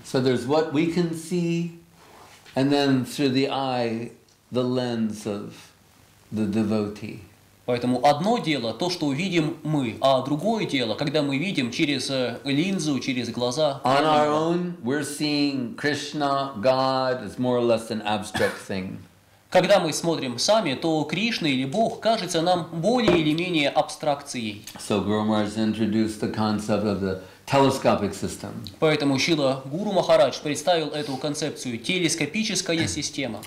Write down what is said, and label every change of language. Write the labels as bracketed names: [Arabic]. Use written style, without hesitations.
[English] So there's what we can see, and then through the eye, the lens of the devotee. [Russian] Поэтому одно дело то, что увидим мы, а другое дело, когда мы видим через линзу, через глаза. [English] On our own, we're seeing Krishna, God, as more or less an abstract thing. [Russian] Когда мы смотрим сами, то Кришна или Бог кажется нам более или менее абстракцией. [English] So Guru Maharaj introduced the concept of the telescopic system. [Russian] Поэтому Шрила Гуру Махарадж представил эту концепцию телескопическая система.